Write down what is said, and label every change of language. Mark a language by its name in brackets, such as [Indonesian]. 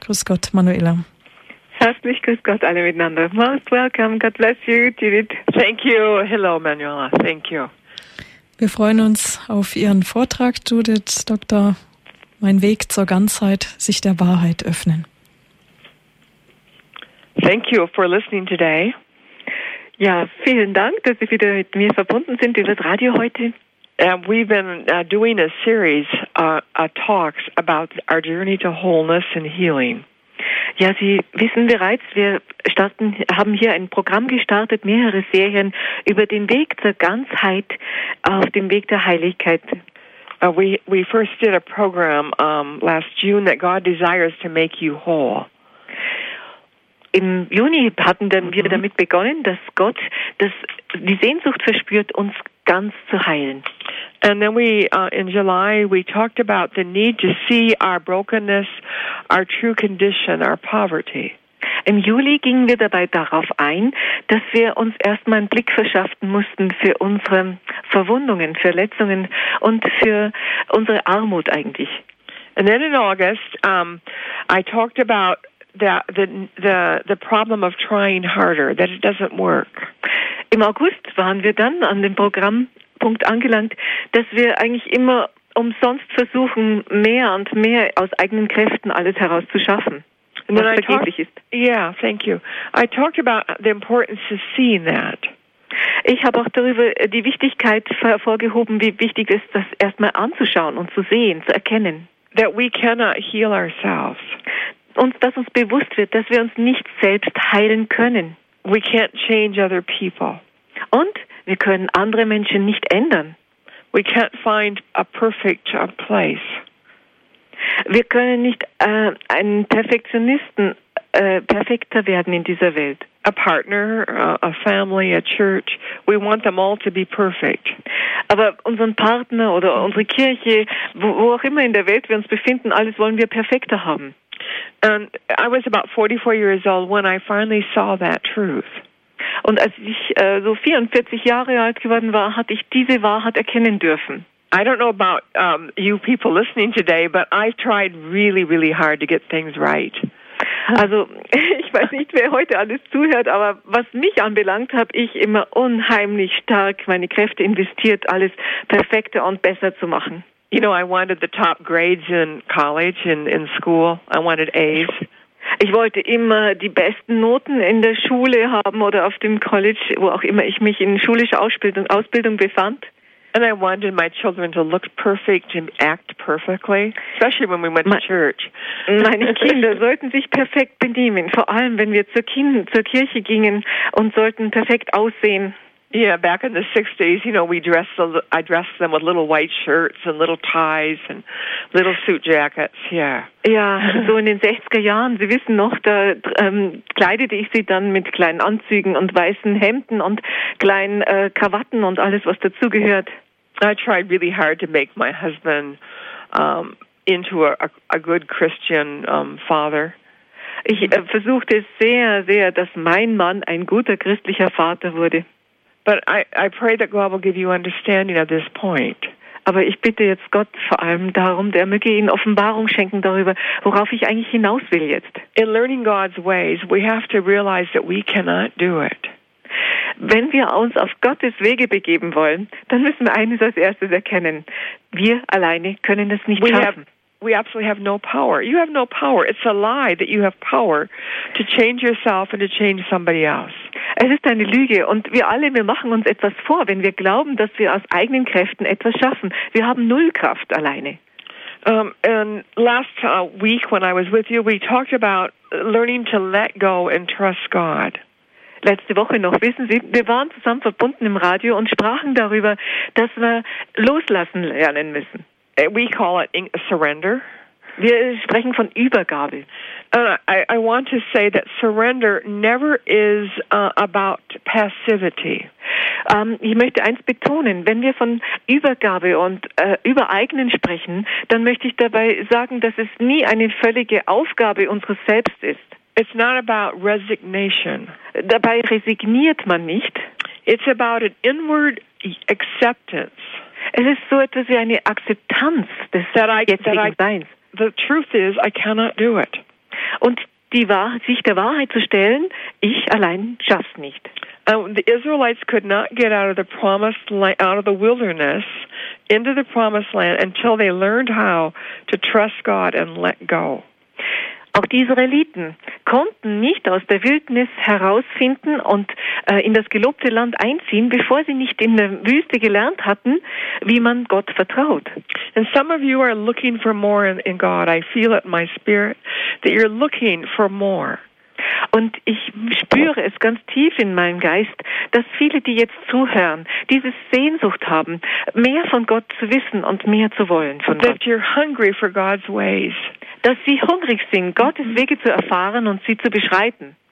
[German] Grüß Gott, Manuela. Herzlich grüß Gott alle miteinander. [English] Most welcome. God bless you, Judith. Thank you. Hello, Manuela. Thank you. [German] Wir freuen uns auf Ihren Vortrag, Judith Doktor. Mein Weg zur Ganzheit, sich der Wahrheit öffnen. [English] Thank you for listening today. [German] Ja, vielen Dank, dass Sie wieder mit mir verbunden sind über das Radio heute. [English] And we've been doing a series of talks about our journey to wholeness and healing. [German] Ja, Sie wissen bereits, wir haben hier ein Programm gestartet, mehrere Serien über den Weg zur Ganzheit, auf dem Weg der Heiligkeit. [English] We first did a program last June that God desires to make you whole. [German] Im Juni hatten wir damit begonnen, dass Gott die Sehnsucht verspürt, uns ganz zu heilen. [English] And then in July, we talked about the need to see our brokenness, our true condition, our poverty. [German] Im Juli gingen wir dabei darauf ein, dass wir uns erstmal einen Blick verschaffen mussten für unsere Verwundungen, Verletzungen und für unsere Armut eigentlich. [English] And then in August, I talked about the problem of trying harder, that it doesn't work. [German] Im August waren wir dann an dem Programm Punkt angelangt, dass wir eigentlich immer umsonst versuchen, mehr und mehr aus eigenen Kräften alles herauszuschaffen, was vergeblich ist. [English] Yeah, thank you. I talked about the importance of seeing that. [German] Ich habe auch darüber die Wichtigkeit hervorgehoben, wie wichtig es ist, das erstmal anzuschauen und zu sehen, zu erkennen. [English] That we cannot heal ourselves. [German] Und dass uns bewusst wird, dass wir uns nicht selbst heilen können. [English] We can't change other people. [German] Und wir können andere Menschen nicht ändern. [English] We can't find a perfect place. [German] Wir können nicht einen Perfektionisten perfekter werden in dieser Welt. [English] A partner, a family, a church. We want them all to be perfect. [German] Aber unseren Partner oder unsere Kirche, wo auch immer in der Welt wir uns befinden, alles wollen wir perfekter haben. [English] And I was about 44 years old when I finally saw that truth. [German] Und als ich so 44 Jahre alt geworden war, hatte ich diese Wahrheit erkennen dürfen. [English] I don't know about you people listening today, but I've tried really, really hard to get things right. [German] Also, ich weiß nicht, wer heute alles zuhört, aber was mich anbelangt, habe ich immer unheimlich stark meine Kräfte investiert, alles perfekter und besser zu machen. [English] You know, I wanted the top grades in college and in school. I wanted A's. [German] Ich wollte immer die besten Noten in der Schule haben oder auf dem College, wo auch immer ich mich in schulischer Ausbildung befand. [English] And I wanted my children to look perfect and act perfectly, especially when we went to church. [German] Meine Kinder sollten sich perfekt benehmen, vor allem wenn wir zur Kirche gingen und sollten perfekt aussehen. [English] Yeah, back in the 60s, you know, I dressed them with little white shirts and little ties and little suit jackets, yeah. [German] Ja, so in den 60er Jahren, Sie wissen noch, da kleidete ich sie dann mit kleinen Anzügen und weißen Hemden und kleinen Krawatten und alles, was dazugehört. [English] I tried really hard to make my husband into a good Christian father. [German] Ich versuchte sehr, sehr, dass mein Mann ein guter christlicher Vater wurde. [English] But I pray that God will give you understanding at this point. [German] Aber ich bitte jetzt Gott vor allem darum, der möge Ihnen Offenbarung schenken darüber, worauf ich eigentlich hinaus will jetzt. [English] In learning God's ways, we have to realize that we cannot do it. [German] Wenn wir uns auf Gottes Wege begeben wollen, dann müssen wir eines als erstes erkennen. Wir alleine können es nicht schaffen. [English] We absolutely have no power. You have no power. It's a lie that you have power to change yourself and to change somebody else. [German] Es ist eine Lüge und wir machen uns etwas vor, wenn wir glauben, dass wir aus eigenen Kräften etwas schaffen. Wir haben null Kraft alleine. [English] And last week when I was with you, we talked about learning to let go and trust God. [German] Letzte Woche noch, wissen Sie, wir waren zusammen verbunden im Radio und sprachen darüber, dass wir loslassen lernen müssen. [English] We call it surrender. [German] Wir sprechen von Übergabe. [English] I want to say that surrender never is about passivity. [German] Ich möchte eins betonen, wenn wir von Übergabe und Übereignen sprechen, dann möchte ich dabei sagen, dass es nie eine völlige Aufgabe unseres Selbst ist. [English] It's not about resignation. [German] Dabei resigniert man nicht. [English] It's about an inward acceptance. [German] Es ist so etwas wie eine Akzeptanz des jetzigen Seins. [English] The truth is, I cannot do it. [German] Und sich der Wahrheit zu stellen, ich allein schaff's nicht. [English] The Israelites could not get out of the promised land, out of the wilderness, into the promised land until they learned how to trust God and let go. [German] Auch die Israeliten konnten nicht aus der Wildnis herausfinden und in das gelobte Land einziehen, bevor sie nicht in der Wüste gelernt hatten, wie man Gott vertraut. [English] And some of you are looking for more in God. I feel it in my spirit that you're looking for more. [German] Und ich spüre es ganz tief in meinem Geist, dass viele, die jetzt zuhören, diese Sehnsucht haben, mehr von Gott zu wissen und mehr zu wollen von Gott. [English] That you're hungry for God's ways. [German] Dass sie hungrig sind, Gottes Wege zu erfahren und sie zu beschreiten.